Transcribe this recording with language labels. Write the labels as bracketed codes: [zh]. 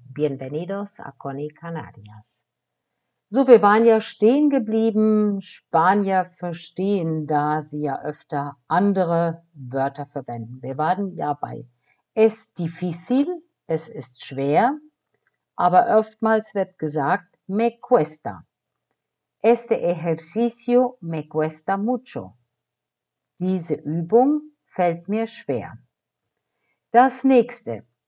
[es] Bienvenidos a Conny Canarias. [de] So, wir waren ja stehen geblieben. Spanier verstehen, da sie ja öfter andere Wörter verwenden. Wir waren ja bei [es] es difícil, [de] es ist schwer, aber oftmals wird gesagt [es] me cuesta. Este ejercicio me cuesta mucho. [de] Diese Übung fällt mir schwer. Das nächste.